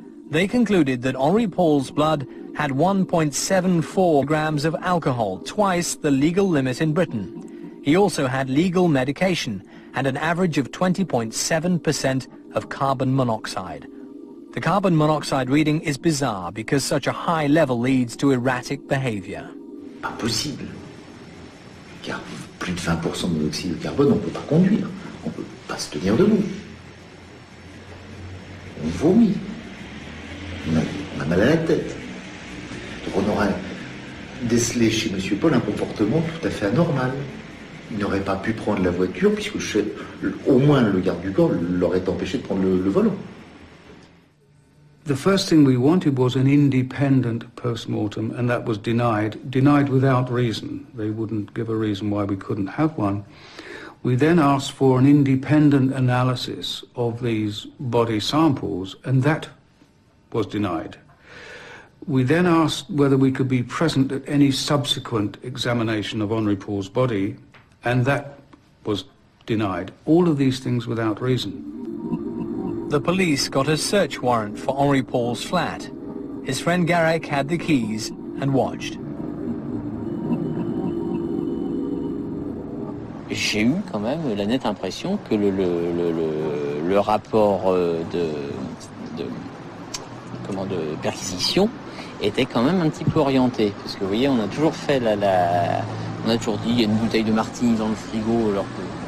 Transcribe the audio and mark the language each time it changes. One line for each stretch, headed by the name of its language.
English: They concluded that Henri Paul's blood had 1.74 grams of alcohol, twice the legal limit in Britain. He also had legal medication and an average of 20.7% of carbon monoxide. The carbon monoxide reading is bizarre because such a high level leads to erratic behavior.
French: Pas possible. Car plus de 20% de monoxyde de carbone, on ne peut pas conduire. On ne peut pas se tenir debout. On vomit. On a mal à la tête. Donc on aurait décelé chez M. Paul un comportement tout à fait anormal. Il n'aurait pas pu prendre la voiture puisque au moins le garde du corps l'aurait empêché de prendre le volant.
English: The first thing we wanted was an independent post-mortem, and that was denied, denied without reason. They wouldn't give a reason why we couldn't have one. We then asked for an independent analysis of these body samples, and that was denied. We then asked whether we could be present at any subsequent examination of Henri Paul's body, and that was denied. All of these things without reason. The police got a search warrant for Henri Paul's flat. His friend Garrick had the keys and watched.
French: J'ai eu quand même la nette impression que le rapport de perquisition était quand même un petit peu orienté. Parce que vous voyez, on a toujours fait on a toujours dit il y a une bouteille de martini dans le frigo alors que.